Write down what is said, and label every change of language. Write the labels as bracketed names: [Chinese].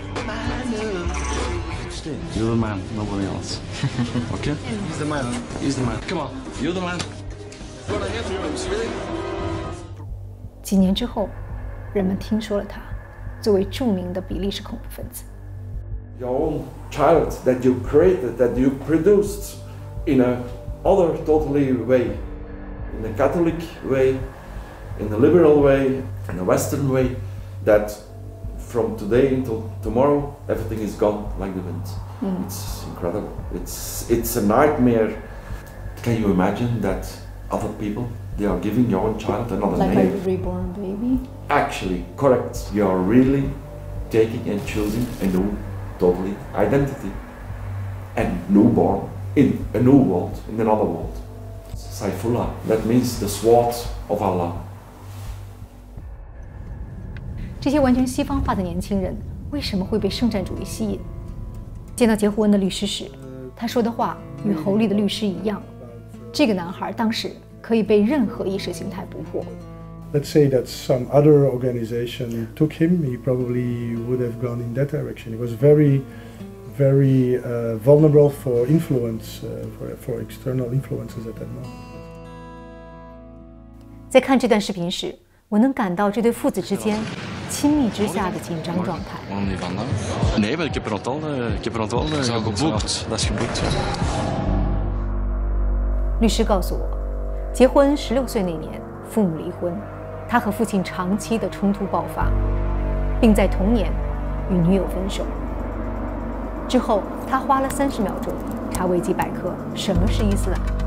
[English] Man, you're the man, nobody else. Okay? He's the man. He's the man. Come on, you're the man. What I have to do is really. [Chinese] 几年之后，人们听说了他，作为著名的比利时恐怖分子。 [English] Your own child that you created, that you produced in a other totally way, in a Catholic way, in a liberal way, in a Western way, that. From today until tomorrow, everything is gone like the wind.、 Mm. It's incredible. It's a nightmare. Can you imagine that other people, they are giving your own child another like name? Like a reborn baby? Actually, correct. You are really taking and choosing a new, totally identity. And newborn in a new world, in another world. Saifullah, that means the sword of Allah. [Chinese] 这些完全西方化的年轻人为什么会被圣战主义吸引？见到杰胡恩的律师时，他说的话与侯利的律师一样。这个男孩当时可以被任何意识形态捕获。 [English] Let's say that some other organization took him, he probably would have gone in that direction. He was very, very, vulnerable for influence, for external influences at that moment. [Chinese] 在看这段视频时，我能感到这对父子之间。亲密之下的紧张状态。往哪方呢 [Dutch] ？Nee, maar ik heb er al wel, ik heb er al wel geboekt. Dat is geboekt. [Chinese] 律师告诉我，结婚十六岁那年，父母离婚，他和父亲长期的冲突爆发，并在同年与女友分手。之后，他花了三十秒钟查维基百科什么是伊斯兰。